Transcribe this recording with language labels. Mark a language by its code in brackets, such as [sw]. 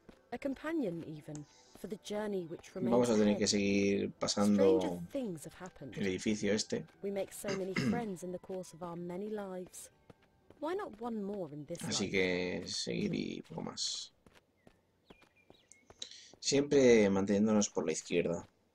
[en] A companion even for the journey which remains. [es] Vamos a tener que seguir pasando el edificio este. [en] We make so many friends in the course of our many lives. Why not one more in this? [es] Así que seguir y poco más. Siempre manteniéndonos por la izquierda.